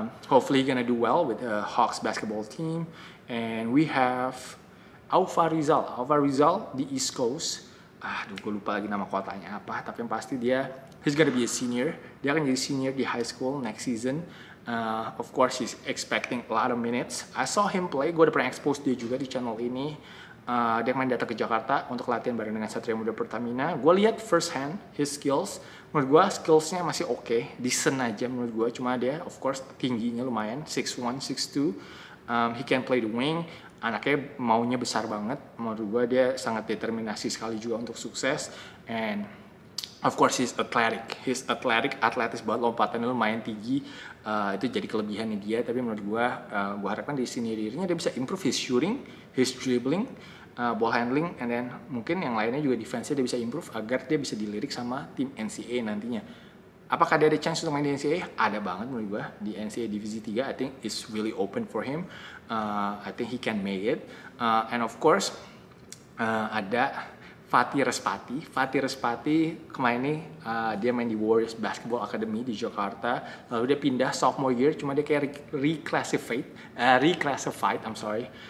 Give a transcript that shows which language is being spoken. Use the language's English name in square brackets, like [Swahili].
[English] Hopefully gonna do well with the Hawks basketball team. And we have Alfa Rizal di East Coast. [Indonesian] Aduh, gue lupa lagi nama kotanya apa. Tapi yang pasti dia, [English] he's gonna be a senior. [Indonesian] Dia akan jadi senior di high school [English] next season. Of course, he's expecting a lot of minutes. I saw him play. [Indonesian] Gue udah pernah expose dia juga di channel ini. Dia main datang ke Jakarta untuk latihan bareng dengan Satria Muda Pertamina. Gue lihat [English] first hand his skills. [Indonesian] Menurut gue skillsnya masih oke, decent aja menurut gue. [English] Cuma dia of course [Indonesian] tingginya lumayan, [English] 6'1", 6'2". He can play the wing. [Indonesian] Anaknya maunya besar banget. Menurut gue dia sangat determinasi sekali juga untuk sukses. [English] And of course he's athletic, [Indonesian] atletis banget, lompatannya lumayan tinggi. Itu jadi kelebihannya dia, tapi menurut gue harapkan di sini-dirinya dia bisa [English] improve his shooting, his dribbling, ball handling, and then [Indonesian] mungkin yang lainnya juga defense-nya dia bisa improve agar dia bisa dilirik sama tim NCAA nantinya. Apakah dia ada chance untuk main di NCAA? Ada banget menurut gue. [English] Di NCAA Divisi 3, I think it's really open for him. I think he can make it. And of course, [Indonesian] ada Fatih Respati kemarin ini dia main di Warriors Basketball Academy di Jakarta. Lalu dia pindah sophomore year, cuma dia kayak reclassified. [English] I'm sorry.